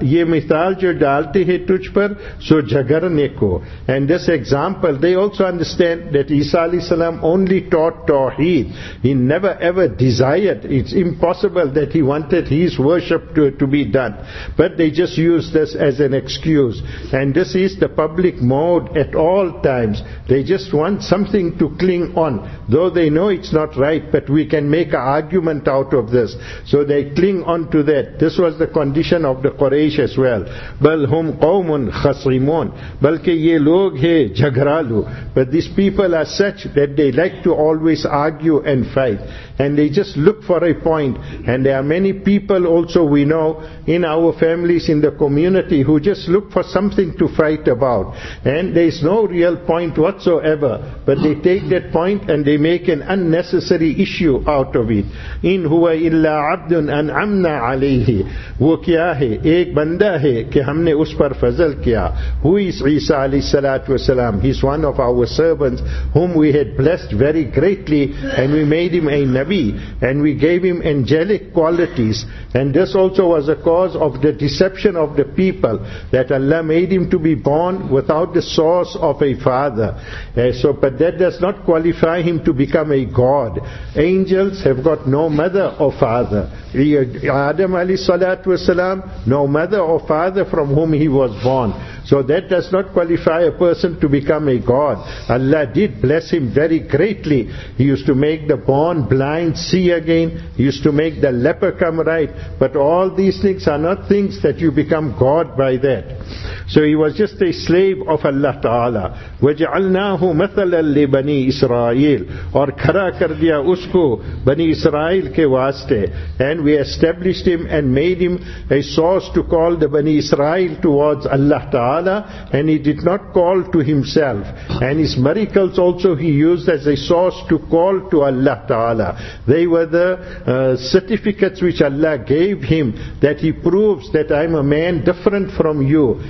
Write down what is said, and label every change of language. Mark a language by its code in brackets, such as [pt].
[ur] یہ مثال جو ڈالتے ہیں تجھ پر سو جھگڑنے کو. [en] And this example, they also understand that Isa alayhi salam only taught Tawheed. He never ever desired, it's impossible that he wanted his worship to be done. But they just use this as an excuse. And this is the public mode at all times. They just want something to cling on. Though they know it's not right, but we can make an argument out of this. So they cling on to that. This was the condition of the Quraysh as well. [ar] بَلْ هُمْ قَوْمٌ خَصِمُونَ. [ur] بَلْکہ یہ لوگ ہیں جھگرالو. [en] But these people are such that they like to always argue and fight. And they just look for a point. And there are many people also we know in our families, in the community, who just look for something to fight about. And there is no real point whatsoever. But they take that point and they make an unnecessary issue out of it. [ar] إِنْ هُوَ إِلَّا عَبْدٌ أَنْعَمْنَا عَلَيْهِ. [ur] وہ کیا ہے؟ ایک بندہ ہے کہ ہم نے اس پر فضل کیا. [en] Who is Isa alayhi salatu wasalam? He's one of our servants whom we had blessed very greatly and we made him a Nabi and we gave him angelic qualities. And this also was a cause of the deception of the people, that Allah made him to be born without the source of a father. But that does not qualify him to become a god. Angels have got no mother or father. Adam alayhi salatu wasalam, no mother or father from whom he was born. So that does not qualify a person to become a god. Allah did bless him very greatly. He used to make the born blind see again. He used to make the leper come right. But all these things are not things that you become god by that. So he was just a slave of Allah Ta'ala. [ar] وَجَعَلْنَاهُ مَثَلًا لِبَنِي إِسْرَائِيلِ. [ur] اور کھرا کر دیا اس کو بنی اسرائیل کے واسطے. [en] And we established him and made him a source to call the Bani Israel towards Allah Ta'ala. And he did not call to himself. And his miracles also he used as a source to call to Allah Ta'ala. They were the certificates which Allah gave him, that he proves that I am a man different from you.